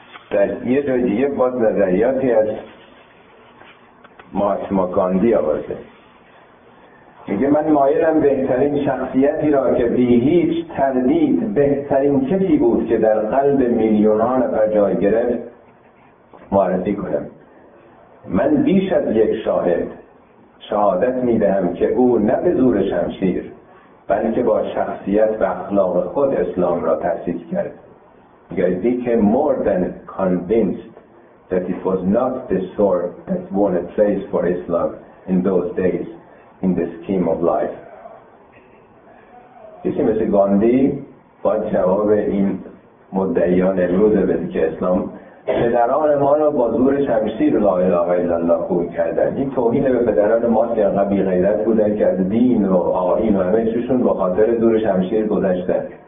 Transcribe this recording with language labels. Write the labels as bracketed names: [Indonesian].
[Persian] در یه جای دیگه باز نظریاتی از مهاتما گاندی آورده، میگه من مایلم بهترین شخصیتی را که بی هیچ تردید بهترین کسی بود که در قلب میلیون ها نفر جای گرفت معرفی کنم. من بیش از یک شاهد شهادت میدهم که او نه به زور شمشیر بلکه با شخصیت و اخلاق خود اسلام را تأسیس کرد. [English] Because we became more than convinced that it was not the sword that won a place for Islam in those days in the scheme of life. [Persian] کسی مثل گاندی با جواب این مدعیان امروز بدی که اسلام پدران ما را با زور شمشیر لا اله الا الله خون کردن. این توهین به پدران ما که انقدر بی‌غیرت بودن که از دین و آیین و همه چیشون با خاطر زور شمشیر گذشتن.